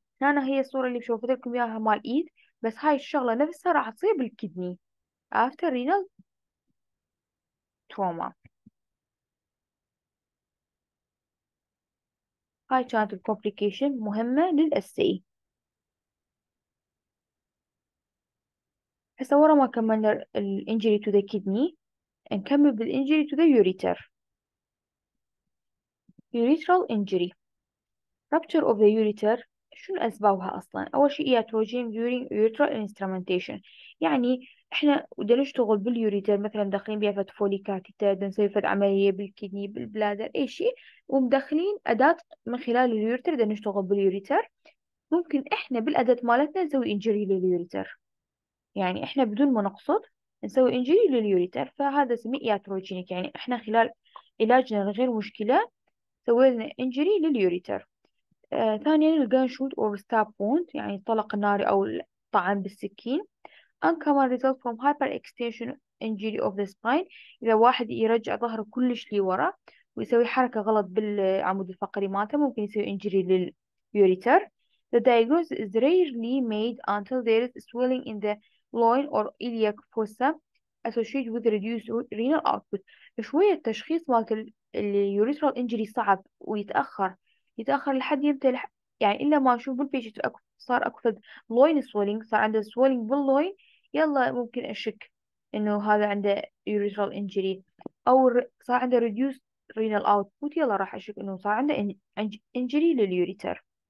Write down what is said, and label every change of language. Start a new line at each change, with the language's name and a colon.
Arabic: هنا هي الصورة اللي شوفت لكم اياها مال ايد، بس هاي الشغلة نفسها راح تصير بالكدني
English: after renal trauma.
Arabic: هاي كانت الكومبليكيشن مهمة للأسي. هسه ورا ما كملنا ال
English: injury to the kidney
Arabic: نكمل بال
English: injury to the ureter.
Arabic: Urethral injury، rupture of the ureter، شنو أسبابها أصلا؟ أول شيء ياتروجين
English: during urethral instrumentation،
Arabic: يعني إحنا ودا نشتغل باليوريتر مثلا داخلين بيها فد فولي كاتيتر، نسوي فد عملية بالكدني بالبلادر أي شيء، ومدخلين أداة من خلال اليوريتر دا نشتغل باليوريتر، ممكن إحنا بالأداة مالتنا نسوي إنجري لليوريتر، يعني إحنا بدون ما نقصد نسوي إنجري لليوريتر، فهذا سمي ياتروجينيك، يعني إحنا خلال علاجنا لغير مشكلة سوينا إنجري لليوريتر. ثانيا الجانشوت أو ستاب وونت، يعني الطلق الناري أو الطعن بالسكين.
English: أن كمان result from hyperextension injury of the spine,
Arabic: إذا واحد يرجع ظهره كلش لورا ويسوي حركة غلط بالعمود الفقري مالته ممكن يسوي انجري لليوريتر.
English: The diagnosis is rarely made until there is swelling in the loin or iliac fossa associated with reduced renal output.
Arabic: شوية التشخيص مالت اليوريترال انجري صعب ويتأخر، يتأخر لحد يمتى يعني إلا ما نشوف بالبيشت صار أكو لوين سولينج، صار عنده سولينج باللوين، يلا ممكن أشك إنه هذا عنده يوريترال إنجري، أو صار عنده ريديوس رينال أوتبوت، يلا راح أشك إنه صار عنده إنجري لليوريتر.